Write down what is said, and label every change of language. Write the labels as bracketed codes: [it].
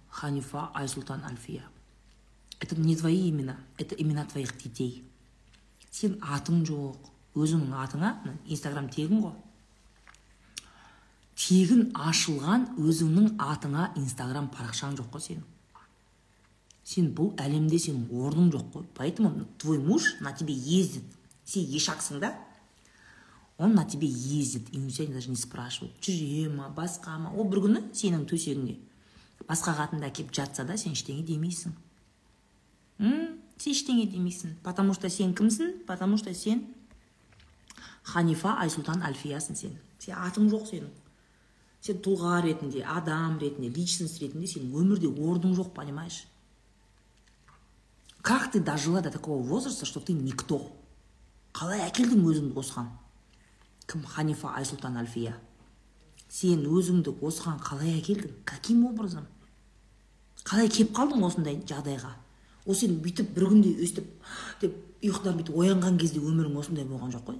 [ru] Ханифа Айсултан Альфия. Это не твои имена, это имена твоих детей. [kk] Сен атың жоқ. Өзіңнің атыңа, Инстаграм тегін қой. Тегін ашылған өзіңнің атыңа Инстаграм парақшаң жоқ қой сен. Сен бұл әлемде сен орның жоқ қой. [ru] Поэтому твой муж на тебе ездит. [kk] Сен ешақсың да? [ru] Он на тебе ездит, и у тебя даже не спрашивают, чужие ма, басқа ма. [kk] О, бір күні сенің төсегіңде басқа қатында кеп жатса да, сен іштеңе демейсің. Сен іштеңе демейсің. [ru] Потому что [kk] сен кімсің? [ru] Потому что [kk] сен Ханифа Айсултан Альфиясың сен. Сен атың жоқ сенің. Сен тұлға ретінде, адам ретінде, личность ретінде сен өмірде орның жоқ, понимаешь? [ru] Как ты дожила до такого возраста, что ты никто? [kk] Қалай әкелдің өзіңді осыған? Кім Ханифа Айсултан Альфия? Сен өзіңді осыған қалай әкелдің? [ru] Каким образом? [kk] Қалай кеп қалдың осындай жағдайға? Ол сен бүйтіп бір күнде өстіп, деп ұйықтан бүйтіп оянған кезде өмірің осындай болған жоқ қой?